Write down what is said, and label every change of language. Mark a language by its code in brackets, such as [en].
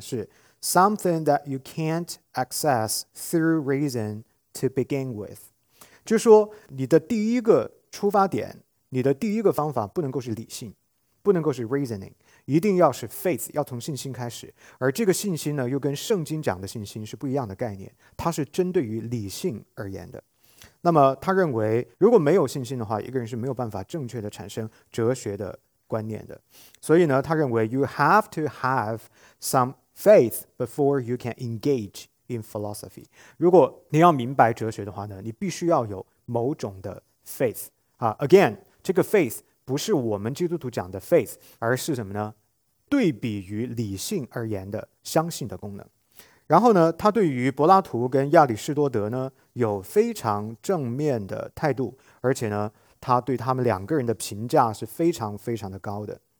[zh] 是 [en] something that you can't access through reason to begin with。 [zh] 就是说，你的第一个出发点，你的第一个方法不能够是理性。不能够是 reasoning，一定要是 faith，要从信心开始。而这个信心呢，又跟圣经讲的信心是不一样的概念，它是针对于理性而言的。那么他认为，如果没有信心的话，一个人是没有办法正确的产生哲学的观念的。所以呢，他认为 [en] you have to have some faith before you can engage in philosophy。 [zh] 如果你要明白哲学的话呢，你必须要有某种的 faith 啊。 Again，这个 faith。不是我们基督徒讲的 faith，而是什么呢？对比于理性而言的相信的功能。然后呢，他对于柏拉图跟亚里士多德呢有非常正面的态度，而且呢，他对他们两个人的评价是非常非常的高的。